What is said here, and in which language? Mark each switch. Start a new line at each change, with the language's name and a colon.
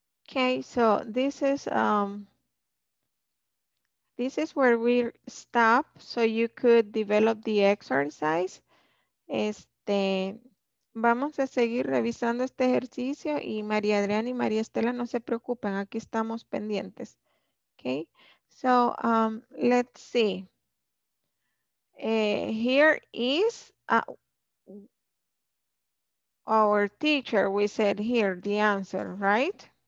English: Okay, so this is where we stop, so you could develop the exercise.
Spanish: Este, vamos a seguir revisando este ejercicio y María Adriana y María Estela, no se preocupen, aquí estamos pendientes.
English: Okay, so let's see. Here is our teacher, we said here, the answer, right?